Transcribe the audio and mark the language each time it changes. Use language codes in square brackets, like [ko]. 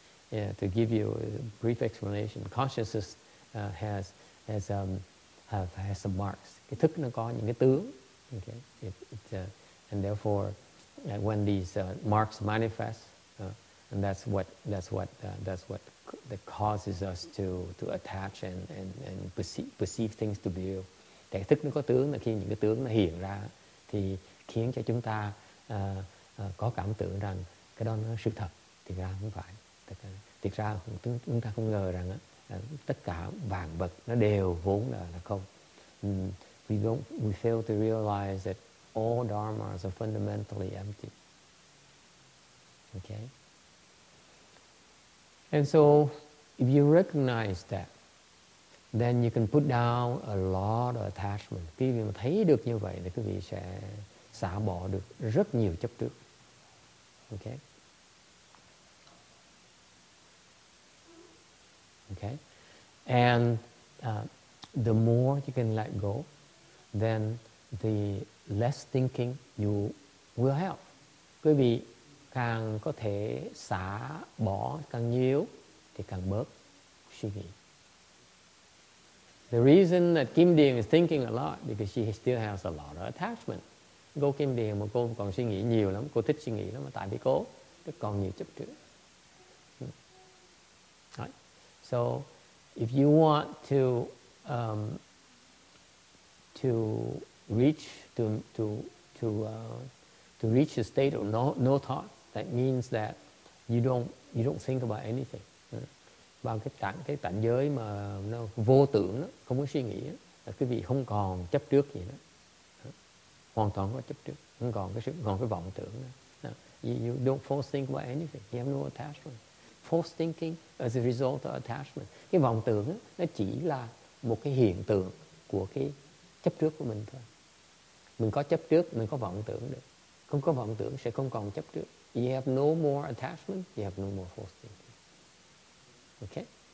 [en] Yeah, to give you a brief explanation, consciousness has some marks. [vi] Cái thức nó có những cái tướng. [en] Okay. And therefore, when these marks manifest, and that's what that causes us to attach and perceive things to be real. [vi] Cái thức nó có tướng là khi những cái tướng nó hiện ra thì khiến cho chúng ta có cảm tưởng rằng cái đó nó sự thật. Thì ra không phải. Thực ra chúng ta không ngờ rằng tất cả vạn vật nó đều vốn là không. [en] We fail to realize that all dharmas are fundamentally empty. Okay? And so, if you recognize that, then you can put down a lot of attachment. [vi] Khi quý vị mà thấy được như vậy thì quý vị sẽ xả bỏ được rất nhiều chấp trước. [en] Okay? Okay? And the more you can let go, then the less thinking you will have. [vi] Quý vị càng có thể xả bỏ càng nhiều thì càng bớt suy nghĩ. [en] The reason that Kim Điền is thinking a lot because she still has a lot of attachment. [vi] Cô Kim Điền mà cô còn suy nghĩ nhiều lắm, cô thích suy nghĩ lắm, mà tại vì cô còn nhiều chấp trước. [en] Right. So if you want to reach a state of no thought, that means that you don't think about anything. [vi] Bằng cái cảnh giới mà nó vô tưởng đó, không có suy nghĩ đó, là quý vị không còn chấp trước gì nữa, hoàn toàn không có chấp trước, không còn cái sự, còn cái vọng tưởng nữa. [en] You don't force think about anything, you have no attachment. Force thinking as a result of attachment. [vi] Cái vọng tưởng đó, nó chỉ là một cái hiện tượng của cái chấp trước của mình thôi. Mình có chấp trước, mình có vọng tưởng được. Không có vọng tưởng sẽ không còn chấp trước. [en] You have no more attachment, you have no more force thinking. Okay.